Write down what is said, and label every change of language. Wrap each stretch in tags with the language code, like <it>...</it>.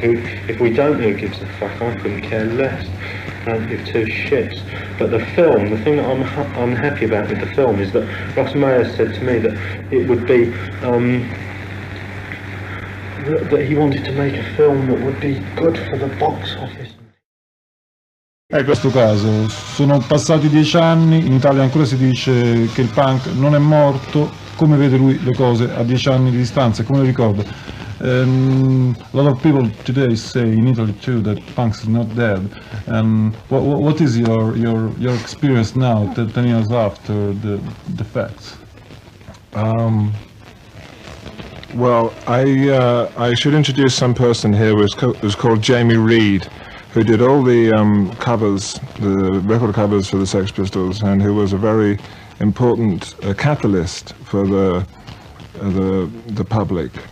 <en>If we don't, who gives a fuck? I couldn't care less. I don't give two shits. But the film, the thing that I'm unhappy about with the film is that Ross Mayer said to me that it would be, that he wanted to make a film that would be good for the box office.</en> <it>È questo caso, sono passati 10 anni, in Italia ancora si dice che il punk non è morto, come vede lui le cose a 10 anni di distanza, come lo ricordo?</it> <en>A lot of people today say in Italy too that punk is not dead. What is your experience now, 10 years after the facts? Well, I should introduce some person here who's called Jamie Reed, who did all the covers, the record covers for the Sex Pistols, and who was a very important catalyst for the public.</en>